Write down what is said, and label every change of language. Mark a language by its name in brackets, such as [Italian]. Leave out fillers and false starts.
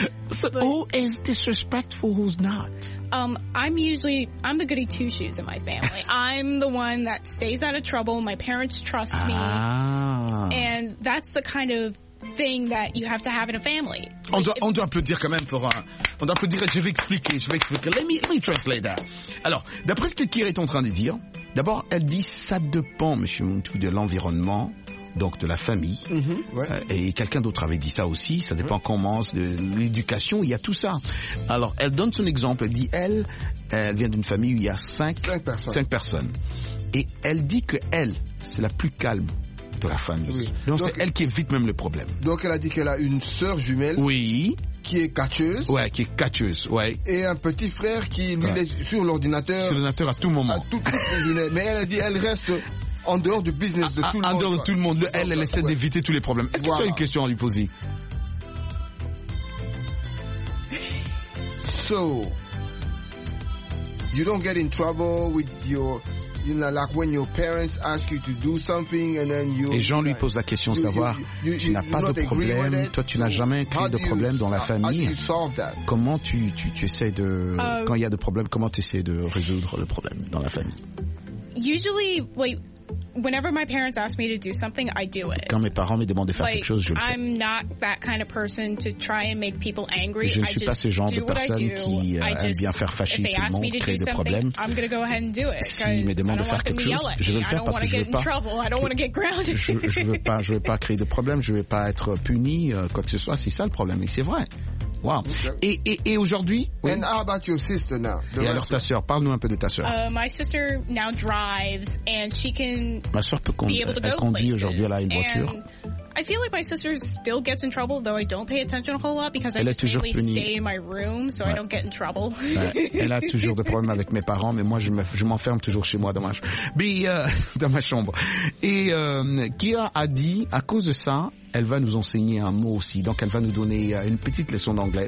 [English] So but, who is disrespectful, who's not? I'm the goody two-shoes in my family. I'm the one that stays out of trouble. My parents trust me. And that's the kind of thing that you have to have in a family. [French] On doit applaudir quand même pour un... On doit applaudir et je vais expliquer. [English] Let me translate that. [French] Alors, d'après ce que Kira est en train de dire, d'abord, elle dit ça dépend, Monsieur Muntu, de l'environnement, donc de la famille. Mm-hmm. Ouais. Et quelqu'un d'autre avait dit ça aussi, ça dépend comment, de l'éducation, il y a tout ça. Alors, elle donne son exemple, elle dit elle vient d'une famille où il y a cinq personnes. Et elle dit que elle, c'est la plus calme de la famille. Oui. Donc c'est elle qui évite même le problème. Donc elle a dit qu'elle a une sœur jumelle. Oui. Qui est catcheuse. Ouais, qui est catcheuse, ouais. Et un petit frère qui lui laisse sur l'ordinateur. Sur l'ordinateur à tout moment. Mais elle a dit elle reste en dehors du business de tout le monde. En dehors de tout le monde. Elle essaie d'éviter tous les problèmes. Est-ce que tu as une question à lui poser? [English] So, you don't get in trouble with your... You know, like when your parents ask you to do something and then you... [French] Et Jean lui pose la question, savoir, tu n'as pas de problème, toi tu n'as jamais créé de problème dans la famille. [English] How do you solve that? [French] Comment tu essaies de... quand il y a de problème, comment tu essaies de résoudre le problème dans la famille? [English] Usually, whenever my parents ask me to do something, I do it. [French] Quand mes parents me demandent de faire quelque chose, je le fais. [English] I'm not that kind of person to try and make people angry. [French] Je ne suis pas ce genre de personne qui aime bien faire fâcher tout le monde, créer des problèmes. [English] I'm going to go ahead and do it. [French] S'ils me demandent de faire quelque chose, je vais le faire parce que je ne veux pas créer de problèmes, je ne veux pas être puni, quoi que ce soit, c'est ça le problème. Et c'est vrai. Wow. Okay. Et aujourd'hui? [English] Oui. And how about your sister now? [French] Et alors ta sœur, parle-nous un peu de ta sœur. [English] My sister now drives and she can. [French] Ma sœur peut conduire aujourd'hui, elle a une voiture. [English] I feel like my sister still gets in trouble, though I don't pay attention a whole lot because [French] elle [English] I just mainly [French] punie. [English] Stay in my room, so I don't get in trouble. [French] Elle a toujours des problèmes avec mes parents, mais moi je m'enferme toujours chez moi dans ma chambre. Et Kira a dit, à cause de ça, elle va nous enseigner un mot aussi. Donc elle va nous donner une petite leçon d'anglais.